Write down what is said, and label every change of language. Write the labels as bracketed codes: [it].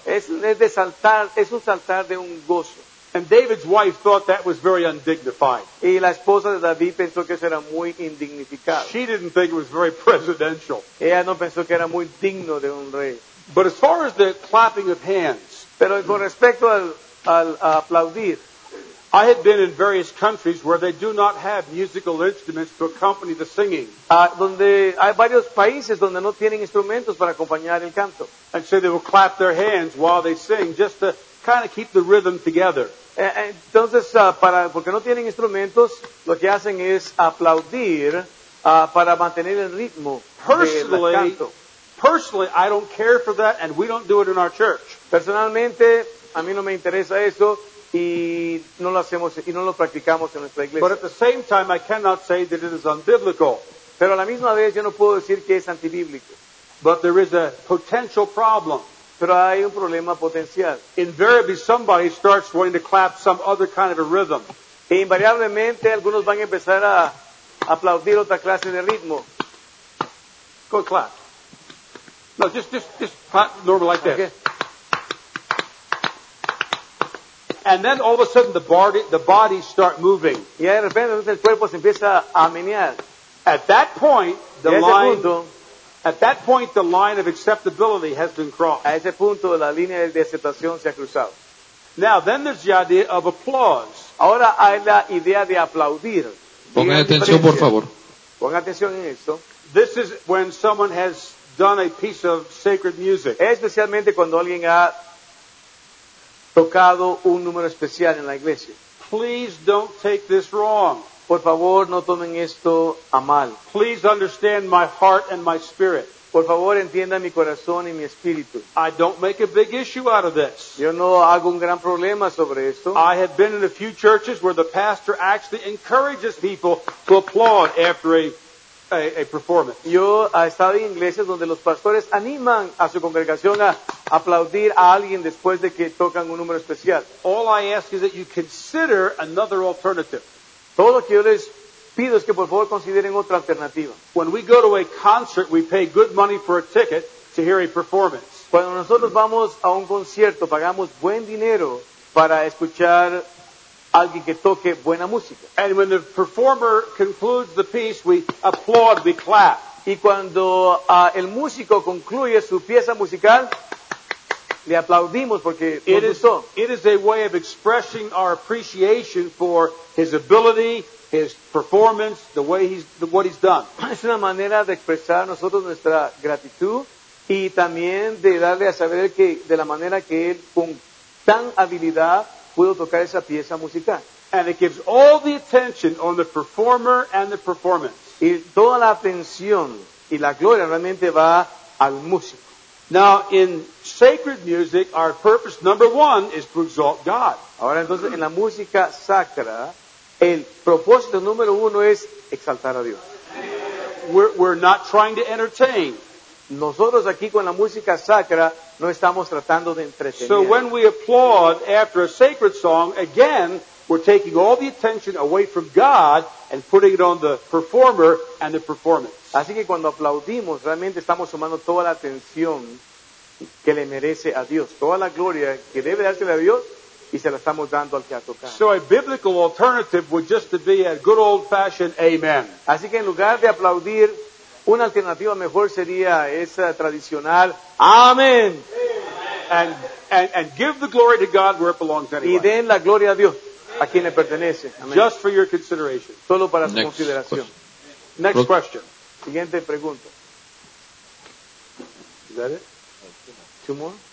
[es] Es de saltar, es un saltar de un gozo. [en] And David's wife thought that was very undignified. [es] Y la esposa de David pensó que eso era muy indignificado. [en] She didn't think it was very presidential. [es] Ella no pensó que era muy digno de un rey. [en] But as far as the clapping of hands, [es] pero con respecto al aplaudir, [en] I had been in various countries where they do not have musical instruments to accompany the singing. [es] Donde hay varios países donde no tienen instrumentos para acompañar el canto. [en] And so they will clap their hands while they sing just to kind of keep the rhythm together. [es] Entonces, porque no tienen instrumentos, lo que hacen es aplaudir para mantener el ritmo del canto. [en] Personally, I don't care for that and we don't do it in our church. [es] Personalmente, a mí no me interesa eso. Y no lo hacemos y no lo practicamos en nuestra iglesia. [en] But at the same time, I cannot say that it is unbiblical. [es] Pero a la misma vez yo no puedo decir que es antibíblico. [en] But there is a potential problem. [es] Pero hay un problema potencial. [en] Invariably, somebody starts wanting to clap some other kind of a rhythm. [es] E invariablemente, algunos van a empezar a aplaudir otra clase de ritmo. [en] Go clap. No, just clap normal like this. Okay. And then all of a sudden the body start moving. [es] Y de repente el cuerpo se empieza a menear. [en] At that point the line of acceptability has been crossed. [es] A ese punto la línea de aceptación se ha cruzado. [en] Now then there's the idea of applause. [es] Ahora hay la idea de aplaudir. Pongan atención, por favor. Pongan atención en esto. [en] This is when someone has done a piece of sacred music. [es] Especialmente cuando alguien ha tocado un número especial en la iglesia. [en] Please don't take this wrong. [es] Por favor, no tomen esto a mal. [en] Please understand my heart and my spirit. [es] Por favor, entienda mi corazón y mi espíritu. [en] I don't make a big issue out of this. [es] Yo no hago un gran problema sobre esto. [en] I have been in a few churches where the pastor actually encourages people to applaud after a performance. [es] Yo he estado en iglesias donde los pastores animan a su congregación a aplaudir a alguien después de que tocan un número especial. [en] All I ask is that you consider another alternative. [es] Todo lo que yo les pido es que por favor consideren otra alternativa. [en] When we go to a concert, we pay good money for a ticket to hear a performance. [es] Cuando nosotros vamos a un concierto, pagamos buen dinero para escuchar alguien que toque buena música. [en] And when the performer concludes the piece, we applaud, we clap. [es] Y cuando el músico concluye su pieza musical, le aplaudimos porque gustó. [en] It is a way of expressing our appreciation for his ability, his performance, the way what he's done. [es] Es una manera de expresar nosotros nuestra gratitud y también de darle a saber que de la manera que él con tan habilidad pudo tocar esa pieza musical. [en] And it gives all the attention on the performer and the performance. [es] Y toda la atención y la gloria realmente va al músico. [en] Now, in sacred music, our purpose number one is to exalt God. [es] Ahora entonces, en la música sacra, el propósito número uno es exaltar a Dios. [en] We're not trying to entertain. [es] Nosotros aquí con la música sacra no estamos tratando de entretener. [en] So when we applaud after a sacred song, again, we're taking all the attention away from God and putting it on the performer and the performance. [es] Así que cuando aplaudimos, realmente estamos sumando toda la atención que le merece a Dios. Toda la gloria que debe dársele a Dios y se la estamos dando al que ha tocado. [en] So a biblical alternative would just to be a good old-fashioned amen. [es] Así que en lugar de aplaudir, una alternativa mejor sería esa tradicional amén. [en] And give the glory to God where it belongs anyway. [es] Y den la gloria a Dios a quien le pertenece. Amen. [en] Just for your consideration. [es] Solo para su consideración. [en] Question. Next question. [es] Siguiente pregunta. [en] Is that it? Two more?